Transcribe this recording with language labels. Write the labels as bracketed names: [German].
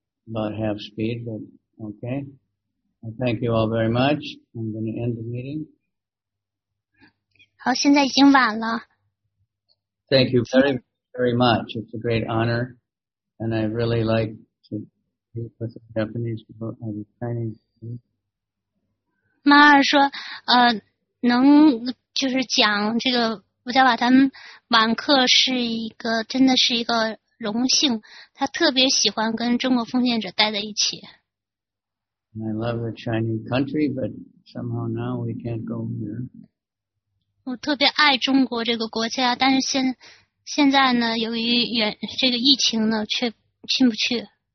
[English] About half speed, but okay. Well, thank you all very much. I'm going to end the meeting. [Chinese] 好，现在已经晚了。 [English] Thank you very, very much. It's a great honor. And I really like to be with the Japanese people and the Chinese. [Chinese] 妈儿说，能就是讲这个吴家瓦丹晚课是一个真的是一个荣幸。他特别喜欢跟中国奉献者待在一起。 [English] And I love the Chinese country, but somehow now we can't go there. [Chinese] 我特别爱中国这个国家，但是现在呢，由于这个疫情呢，却进不去。